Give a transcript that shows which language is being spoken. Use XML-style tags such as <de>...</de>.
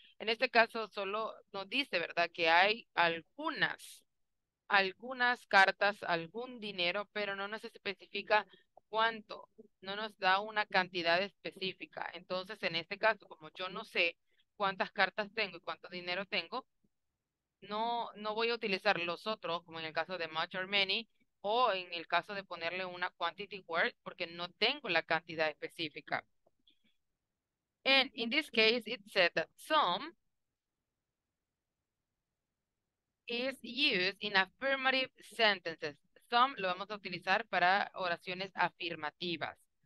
<es>En este caso, solo nos dice, ¿verdad?, que hay algunas cartas, algún dinero, pero no nos especifica cuánto, no nos da una cantidad específica. Entonces, en este caso, como yo no sé cuántas cartas tengo y cuánto dinero tengo, no voy a utilizar los otros, como en el caso de much or many, o en el caso de ponerle una quantity word, porque no tengo la cantidad específica.</es> <en>And in this case, it said that some is used in affirmative sentences.</en> <es>Some lo vamos a utilizar para oraciones afirmativas.</es>